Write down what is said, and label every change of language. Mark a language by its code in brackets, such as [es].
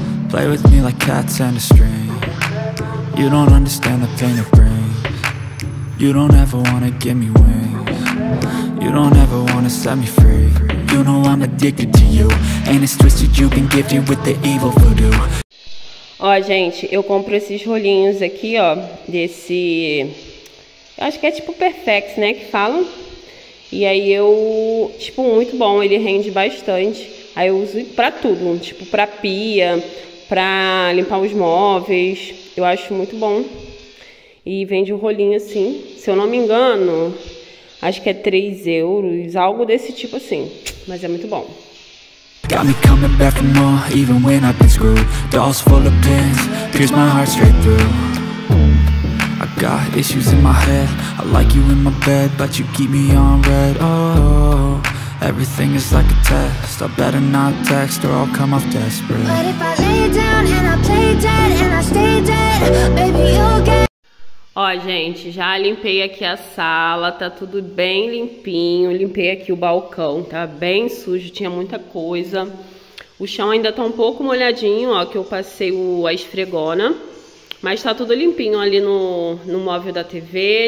[en] Play with me like cats and a string. You don't understand the pain it brings. You don't ever wanna give me wings. You don't ever wanna set me free. You know I'm addicted to you. And it's twisted you've been gifted with the evil voodoo. [pt] Ó, gente, eu compro esses rolinhos aqui, ó, desse Eu acho que é tipo Perfex, né, que falam. E aí eu, tipo, muito bom, ele rende bastante. Aí eu uso pra tudo, tipo, pra pia, pra limpar os móveis. Eu acho muito bom. E vende um rolinho assim, se eu não me engano, acho que é 3 euros, algo desse tipo assim. Mas é muito bom. [en] Got me coming back for more, even when I've been screwed. Dolls full of pins, pierce my heart straight through. I got issues in my head. I like you in my bed, but you keep me on read. Oh, everything is like a test. I better not text or I'll come off desperate. But if I lay down and I play dead and I stay dead, baby, you'll get. [pt] Ó, gente, já limpei aqui a sala, tá tudo bem limpinho. Limpei aqui o balcão, tá bem sujo, tinha muita coisa. O chão ainda tá um pouco molhadinho, ó, que eu passei a esfregona. Mas tá tudo limpinho ali no móvel da TV.